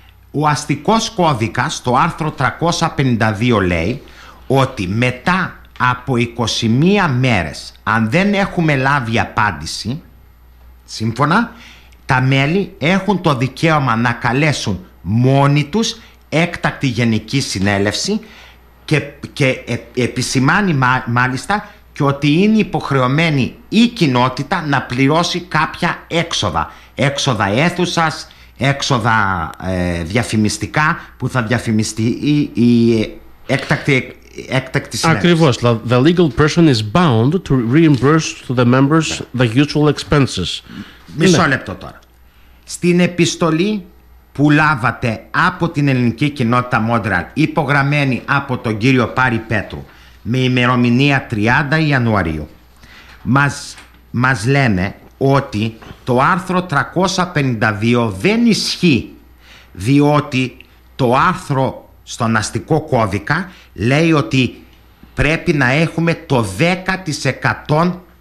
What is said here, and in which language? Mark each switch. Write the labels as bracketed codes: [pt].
[el] Ο αστικός κώδικας, το άρθρο 352, λέει ότι μετά από 21 μέρες, αν δεν έχουμε λάβει απάντηση, σύμφωνα, τα μέλη έχουν το δικαίωμα να καλέσουν μόνοι τους έκτακτη γενική συνέλευση και επισημάνει μάλιστα και ότι είναι υποχρεωμένη η κοινότητα να πληρώσει κάποια έξοδα. Έξοδα αίθουσας, έξοδα διαφημιστικά που θα διαφημιστεί η έκτακτη συνέλευση. Ακριβώς. [en] The legal person is bound to reimburse to the members the usual expenses. [el] Μισό λεπτό τώρα. Στην επιστολή που λάβατε από την ελληνική κοινότητα Μόντραλ, υπογραμμένη από τον κύριο Πάρη Πέτρου με ημερομηνία 30 Ιανουαρίου, μας λένε ότι το άρθρο 352 δεν ισχύει, διότι το άρθρο στον αστικό κώδικα λέει ότι πρέπει να έχουμε το 10%